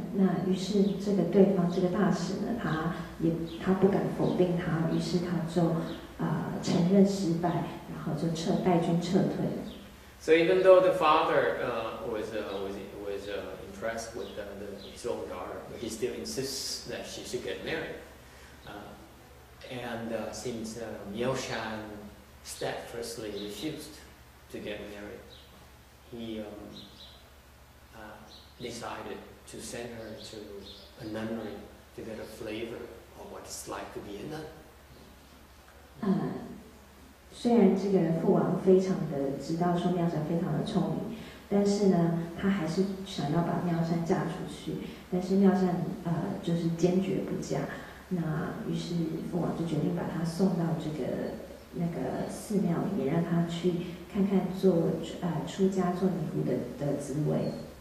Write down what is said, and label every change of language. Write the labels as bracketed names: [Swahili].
[Chinese] 那于是这个对方这个大使呢，他不敢否定他，于是他就承认失败，然后就带军撤退了。 [English] So even though the father was impressed with his own daughter, but he still insists that she should get married. Since Miao Shan steadfastly refused. To get married, he decided to send her to a nunnery to get a flavor of what it's like to be a nun. [Chinese] 虽然这个父王非常的知道说妙山非常的聪明，但是呢，他还是想要把妙山嫁出去。但是妙山就是坚决不嫁。那于是父王就决定把他送到这个那个寺庙里面，让他去看看做出家做尼姑的滋味。